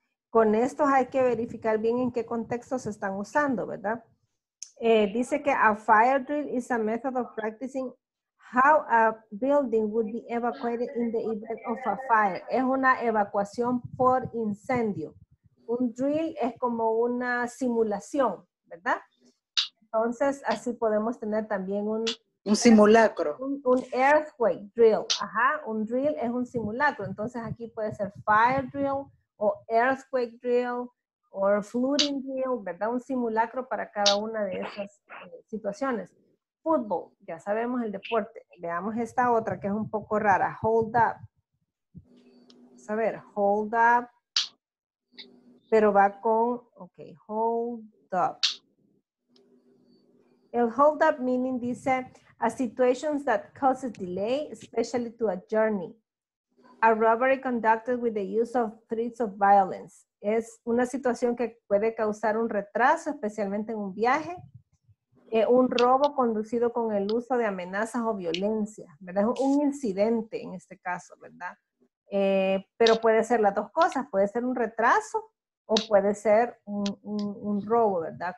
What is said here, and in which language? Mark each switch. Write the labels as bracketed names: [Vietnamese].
[Spanish] Con estos hay que verificar bien en qué contexto se están usando, ¿verdad? Dice que [English] a fire drill is a method of practicing how a building would be evacuated in the event of a fire. [Spanish] Es una evacuación por incendio. Un drill es como una simulación, ¿verdad? Entonces, así podemos tener también un simulacro. Un earthquake drill. Ajá, un drill es un simulacro. Entonces, aquí puede ser fire drill o earthquake drill o flooding drill, ¿verdad? Un simulacro para cada una de esas situaciones. Fútbol, ya sabemos el deporte. Veamos esta otra que es un poco rara. Hold up. Vamos a ver, hold up. Pero va con, ok, hold up. [English] El hold up meaning dice, a situation that causes delay, especially to a journey. A robbery conducted with the use of threats of violence. [Spanish] Es una situación que puede causar un retraso, especialmente en un viaje. un robo conducido con el uso de amenazas o violencia, ¿verdad? Un incidente en este caso, ¿verdad? Pero puede ser las dos cosas, puede ser un retraso o puede ser un robo, ¿verdad?